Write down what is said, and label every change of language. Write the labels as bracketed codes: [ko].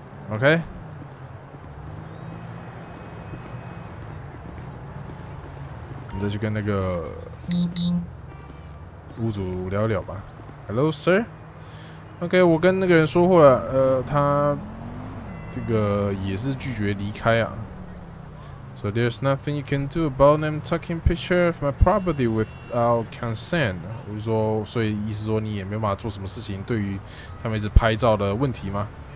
[zh] OK， 你再去跟那个屋主聊聊吧。 [en] Hello, sir。 [zh] OK， 我跟那个人说过了，他这个也是拒绝离开啊。 [en] So there's nothing you can do about them taking picture of my property without consent. [zh] 我就说，所以意思说你也没办法做什么事情，对于他们一直拍照的问题吗？